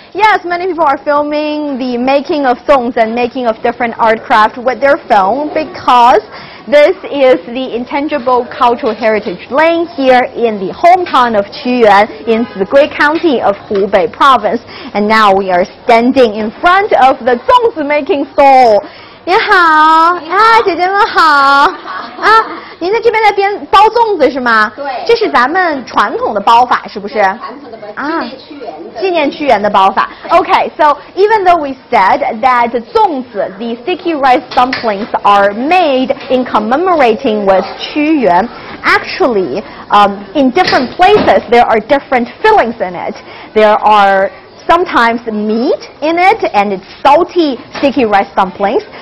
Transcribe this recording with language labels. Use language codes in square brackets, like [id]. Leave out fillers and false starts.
[en] Yes, many people are filming the making of songs and making of different art craft with their phone because this is the intangible cultural heritage lane here in the hometown of Qiyuan in Zigui County of Hubei province. And now we are standing in front of the zongzi making stall. [zh] 你好，啊，姐姐们好，啊，您在这边在编包粽子是吗？对，这是咱们传统的包法，是不是？传统的包，纪念屈原的。纪念屈原的包法。 [en] Okay, so even though we said that 粽子 the sticky rice dumplings are made in commemorating with 屈原, actually, in different places there are different fillings in it. There are sometimes meat in it, and it's salty sticky rice dumplings.